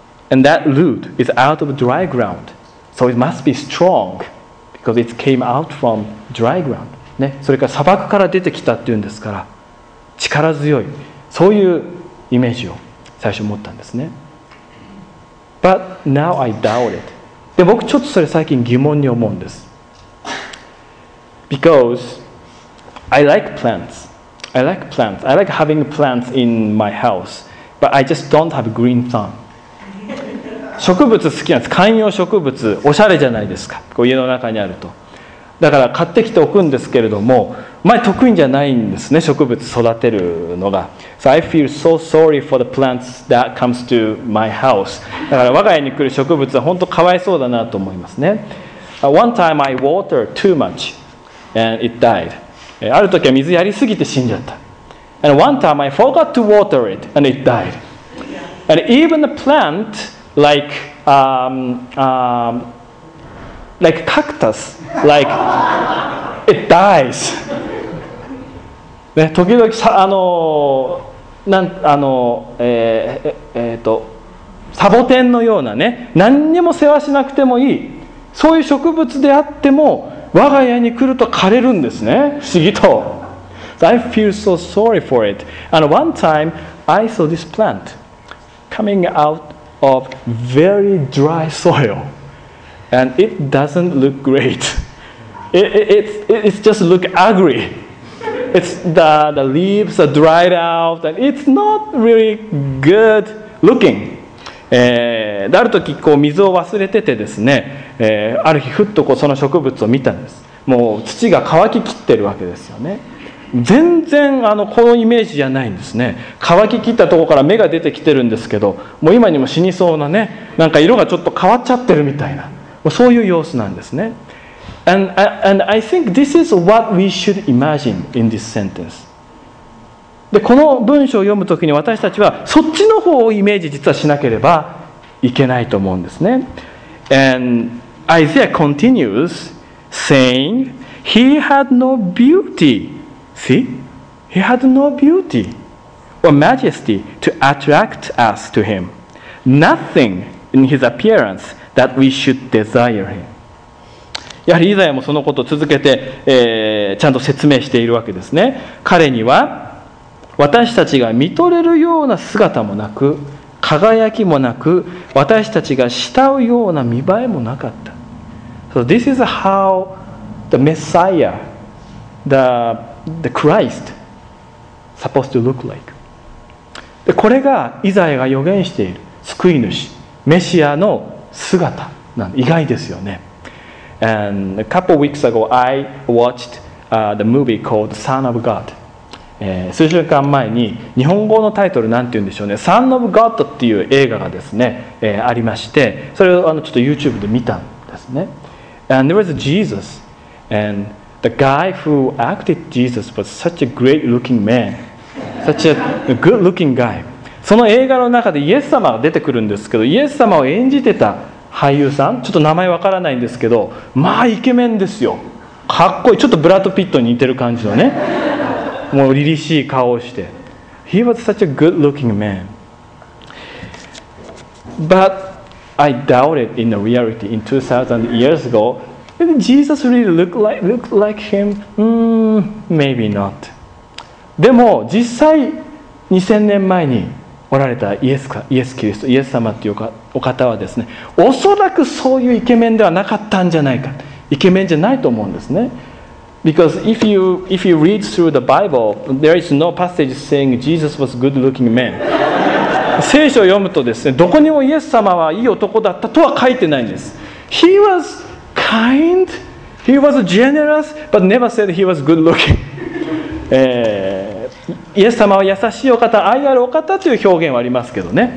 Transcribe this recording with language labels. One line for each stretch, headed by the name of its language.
English: And that root is out of dry ground. So it must be strong because it came out from dry ground.、
Japanese: ね、それから砂漠から出てきたっていうんですから、力強い。そういうイメージを最初持ったんですね。
English: But now I doubt it.
Japanese: で、僕ちょっとそれ最近疑問に思うんです。
English: Because I like plants. I like plants. I like having plants in my house. But I just don't have green thumb.
Japanese: 植物好きなんです。観葉植物、おしゃれじゃないですか。こう家の中にあると。だから買ってきておくんですけれども、前得意じゃないんですね、植物育てるのが。
English: So I feel so sorry for the plants that comes to my house.
Japanese: だから我が家に来る植物は本当かわいそうだなと思いますね。
English: One time I water too much and it died.
Japanese: ある時は水やりすぎて死んじゃった。
English: And one time I forgot to water it and it died. And even the plant like cactus, like it dies.
Japanese: ね、時々さ、サボテンのようなね、何にも世話しなくてもいい、そういう植物であっても我が家に来ると枯れるんですね、不思議と。
English: I feel so sorry for it. And one time, I saw this plant coming out of very dry soil. And it doesn't look great. It just look ugly. It's the leaves are dried out, and it's not really good looking.
Japanese: ある時こう水を忘れててですね、ある日ふっとこうその植物を見たんです。もう土が乾ききってるわけですよね。全然このイメージじゃないんですね。乾ききったところから芽が出てきてるんですけど、もう今にも死にそうなね、なんか色がちょっと変わっちゃってるみたいな、そういう様子なんですね。
English: And I think this is what we should imagine in this sentence.
Japanese: でこの文章を読むときに私たちはそっちの方をイメージ実はしなければいけないと思うんですね。
English: And Isaiah continues saying he had no beautySee, he had no beauty or majesty to attract us to him. Nothing in his appearance that we should desire him.
Japanese: やはりイザヤもそのことを続けて、ちゃんと説明しているわけですね。彼には私たちが見とれるような姿もなく、輝きもなく、私たちが慕うような見栄えもなかった。
English: So this is how the Messiah, the Christ, supposed to look like.
Japanese: で、これがイザヤが予言している救い主、メシアの姿なの。意外ですよね。
English: And a couple of weeks ago, I watched the movie called Son of God.
Japanese: 数週間前に日本語のタイトルなんて言うんでしょうね、Son of God っていう映画がですね、ありまして、それをちょっと YouTube で見たんですね。
English: And there was Jesus, and the guy who acted Jesus was such a great-looking man, such a good-looking guy.
Japanese: その映画の中でイエス様が出てくるんですけど、イエス様を演じてた俳優さん、ちょっと名前わからないんですけど、まあイケメンですよ。かっこいい、ちょっとブラッド・ピットに似てる感じのね、もう凛々しい顔をして。
English: He was such a good-looking man. But I doubted in the reality in 2000 years ago. Did Jesus really look like him? Maybe not.
Japanese: でも実際2000年前におられたイエスキリスト、イエス様っていうお方はですね、おそらくそういうイケメンではなかったんじゃないか。イケメンじゃないと思うんですね。
English: Because if you read through the Bible, there is no passage saying Jesus was a good-looking man.
Japanese: 聖書を読むとですね、どこにもイエス様はいい男だったとは書いてないんです。
English: He was kind, he was generous, but never said he was good-looking.
Japanese: イエス様は優しいお方、愛あるお方という表現はありますけどね。